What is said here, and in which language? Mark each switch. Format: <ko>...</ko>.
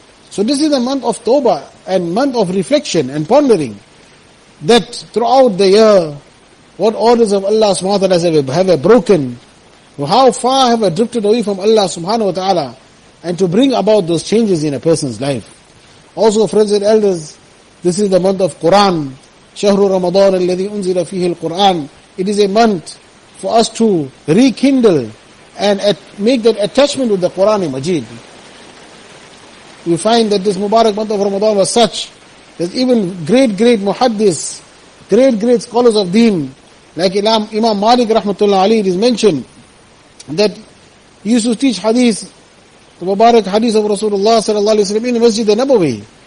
<en>So this is a month of tawbah and month of reflection and pondering, that throughout the year, what orders of Allah subhanahu wa ta'ala have broken, how far have I drifted away from Allah subhanahu wa ta'ala, and to bring about those changes in a person's life. Also, friends and elders, this is the month of Qur'an.</en> <ar>شهر رمضان الذي أنزل فيه القرآن.</ar> <en>It is a month for us to rekindle and make that attachment with the Qur'an Majid. We find that this Mubarak month of Ramadan was such that even great muhaddis, great scholars of deen, like Imam Malik rahmatullah Ali, it is mentioned that he used to teach hadith, the Mubarak hadith of Rasulullah sallallahu alayhi wa sallam, in Masjid al-Nabawi.</en>